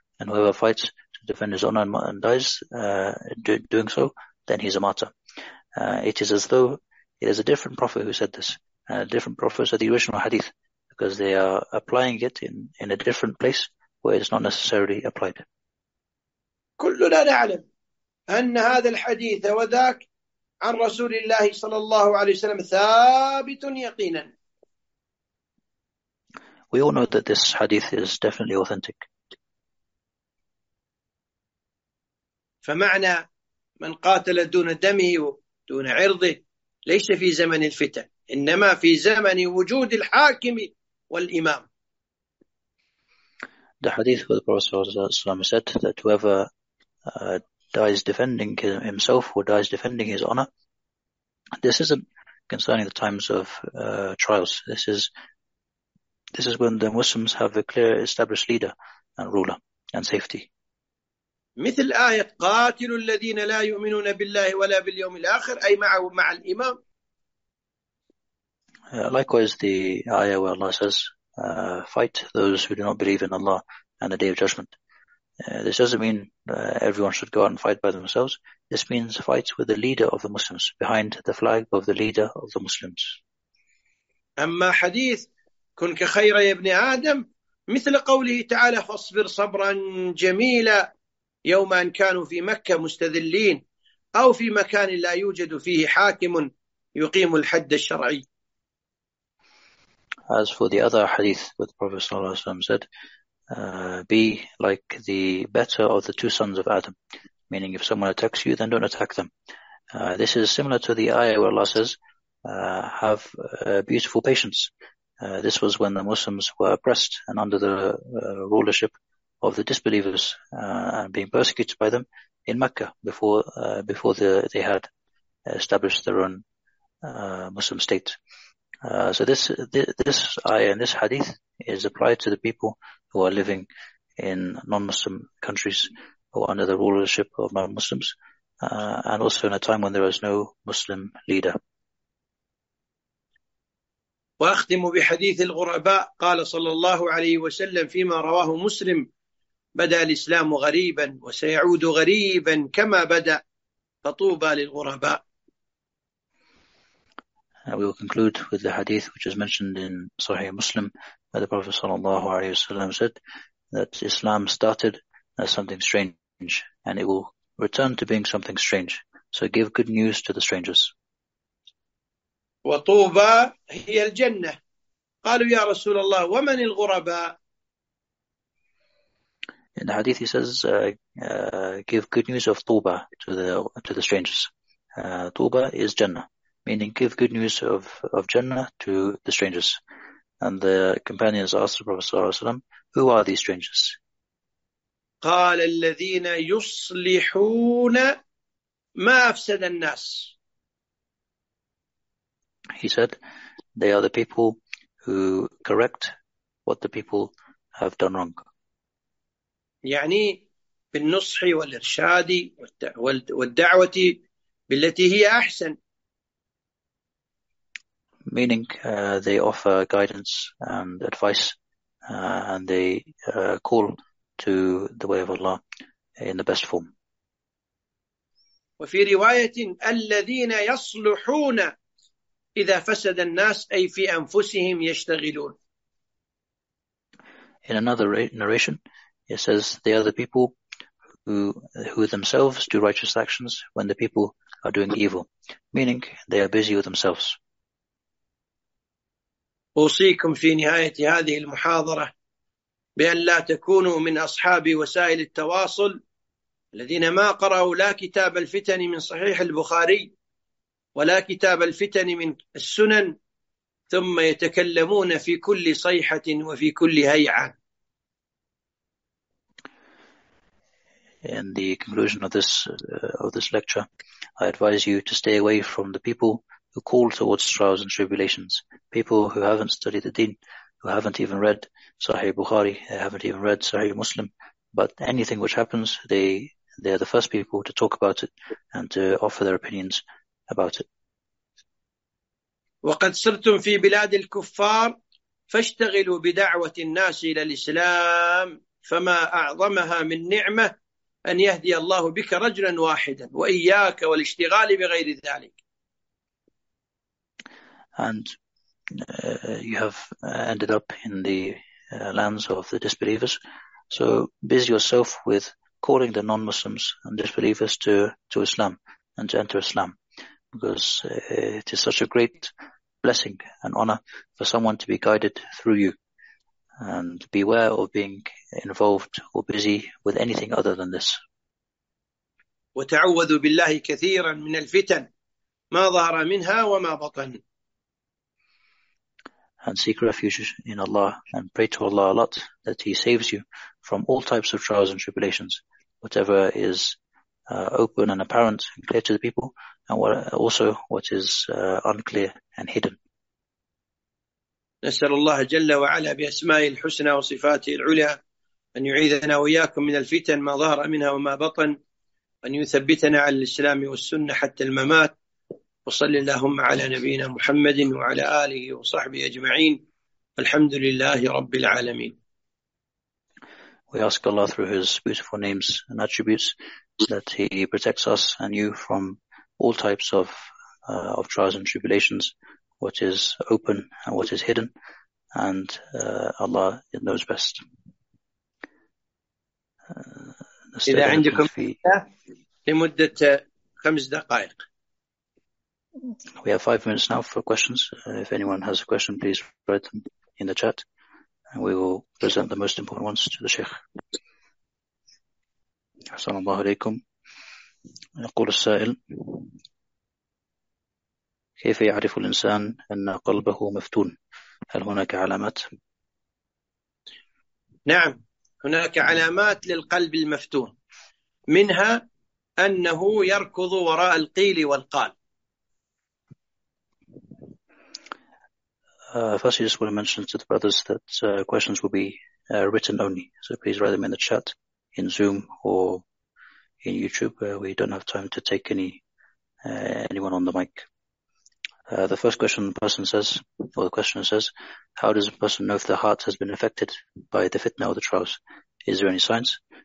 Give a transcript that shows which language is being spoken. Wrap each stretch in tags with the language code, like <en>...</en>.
<en>And whoever fights to defend his honor and dies doing so, then he is a martyr. It is as though it is a different prophet who said this, a different prophet said the original hadith, because they are applying it in a different place where it's not necessarily applied.</en> <ar>كلنا نعلم أن هذا الحديث وذاك عن رسول الله صلى الله عليه وسلم ثابت يقينا.</ar> <en>We all know that this hadith is definitely authentic.</en> <ar>فمعنى من قاتل دون دمه دون عرضه ليس في زمن الفتن، إنما في زمن وجود الحاكم والإمام.</ar> <en>The hadith of the Prophet ﷺ said that whoever dies defending himself or dies defending his honor, this isn't concerning the times of trials. This is when the Muslims have a clear established leader and ruler and safety.</en> <ar>مثل آية قاتل الذين لا يؤمنون بالله ولا باليوم الآخر أي مع الإمام.</ar> <en>Likewise, the ayah where Allah says, fight those who do not believe in Allah and the Day of Judgment. This doesn't mean everyone should go out and fight by themselves. This means fight with the leader of the Muslims, behind the flag of the leader of the Muslims.</en> <ar>أما حديث كن كخير يا ابن آدم مثل قوله تعالى فاصبر صبرا جميلا يوم أن كانوا في مكة مستذلين أو في مكان لا يوجد فيه حاكم يقيم الحد الشرعي.</ar> <en>As for the other hadith with the Prophet sallallahu alaihi wasallam said, be like the better of the two sons of Adam, meaning if someone attacks you, then don't attack them. This is similar to the ayah where Allah says, have beautiful patience. This was when the Muslims were oppressed and under the rulership of the disbelievers and being persecuted by them in Mecca before they had established their own Muslim state. So this ayah and this hadith is applied to the people who are living in non-Muslim countries or under the rulership of non-Muslims, and also in a time when there is no Muslim leader.</en> <ar>وأختم بحديث الغرباء قال صلى الله عليه وسلم فيما رواه مسلم بدأ الإسلام غريبا وسيعود غريبا كما بدأ فطوبى للغرباء.</ar> <en>We will conclude with the hadith which is mentioned in Sahih Muslim, where the Prophet sallallahu alaihi wasallam said that Islam started as something strange and it will return to being something strange. So give good news to the strangers.</en> <ar>وطوبى هي الجنة. قالوا يا رسول الله ومن الغرباء؟</ar> <en>In the hadith he says, give good news of Tuba to the strangers. Tuba is Jannah, meaning give good news of Jannah to the strangers. And the companions asked the Prophet sallallahu alaihi wasallam, who are these strangers?</en> <ar>قال الذين يصلحون ما أفسد الناس.</ar> <en>He said, they are the people who correct what the people have done wrong.</en> <ar>يعني بالنصح والإرشاد والدعوة بالتي هي أحسن.</ar> <en>Meaning they offer guidance and advice and they call to the way of Allah in the best form.</en> <ar>وفي رواية الذين يصلحون إذا فسد الناس أي في أنفسهم يشتغلون.</ar> <en>In another narration, it says they are the people who themselves do righteous actions when the people are doing evil, meaning they are busy with themselves.</en> <ar>أوصيكم في نهاية هذه المحاضرة بأن لا تكونوا من أصحاب وسائل التواصل الذين ما قرأوا لا كتاب الفتن من صحيح البخاري ولا كتاب الفتن من السنن، ثم يتكلمون في كل صيحة وفي كل هيعة.</ar> <en>In the conclusion of this lecture, I advise you to stay away from the people who call towards trials and tribulations. People who haven't studied the deen, who haven't even read Sahih Bukhari, they haven't even read Sahih Muslim, but anything which happens, they are the first people to talk about it and to offer their opinions about it.</en> <ar>وقد صرتم في بلاد الكفار فاشتغلوا بدعوة الناس إلى الإسلام، فما أعظمها من نعمة أن يهدي الله بك رجلا واحدا، وإياك والاشتغال بغير ذلك.</ar> <en>And you have ended up in the lands of the disbelievers. So busy yourself with calling the non-Muslims and disbelievers to Islam and to enter Islam, because it is such a great blessing and honor for someone to be guided through you. And beware of being involved or busy with anything other than this.</en> <ar>وتعوذوا بالله كثيرا من الفتن ما ظهر منها وما بطن.</ar> <en>And seek refuge in Allah and pray to Allah a lot that He saves you from all types of trials and tribulations, whatever is open and apparent and clear to the people, and what is unclear and hidden.</en> <ar>نسأل الله جل وعلا بأسماء الحسنى وصفاته العليا أن يعيذنا وإياكم من الفتن ما ظهر منها وما بطن، أن يثبتنا على الإسلام والسنة حتى الممات، وصل اللهم على نبينا محمد وعلى آله وصحبه أجمعين، الحمد لله رب العالمين.</ar> <en>We ask Allah through His beautiful names and attributes that He protects us and you from all types of trials and tribulations, what is open and what is hidden, and Allah knows best.</en> <ar>إذا عندكم لمدة 5 دقائق.</ar> <en>We have 5 minutes now for questions. If anyone has a question, please write them in the chat. And we will present the most important ones to the Sheikh. Assalamu alaikum.</en> <ar>يقول السائل: كيف يعرف الإنسان أن قلبه مفتون؟ هل هناك علامات؟ نعم، هناك علامات للقلب المفتون، منها أنه يركض وراء القيل والقال.</ar> <en>First, I just want to mention to the brothers that questions will be written only. So please write them in the chat, in Zoom, or in YouTube, where we don't have time to take anyone on the mic. The first question the person says, or the questioner says, how does a person know if the heart has been affected by the fitna or the trials? Is there any signs?</en>